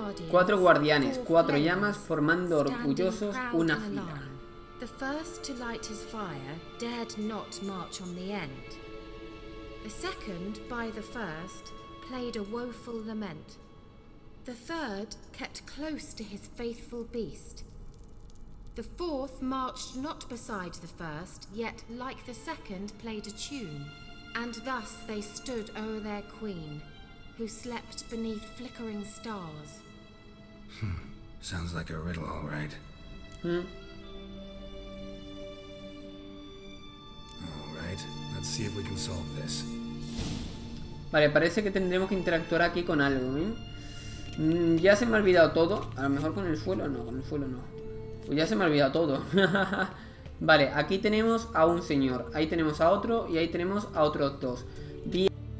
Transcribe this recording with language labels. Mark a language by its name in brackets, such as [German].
[Spanish] Cuatro guardianes, cuatro llamas formando orgullosos una fila. [English] The first to light his fire dared not march on the end. The second, by the first, played a woeful lament. The third kept close to his faithful beast. The fourth marched not beside the first, yet like the second played a tune. And thus they stood o'er their queen. Who slept beneath flickering stars. Sounds like a riddle, all right. All right, let's see if we can solve this. [Spanish] Vale, parece que tendremos que interactuar aquí con algo, ¿eh? Ya se me ha olvidado todo. A lo mejor con el suelo, no, con el suelo no. Pues ya se me ha olvidado todo. Vale, aquí tenemos a un señor. Ahí tenemos a otro y ahí tenemos a otros dos. Bien.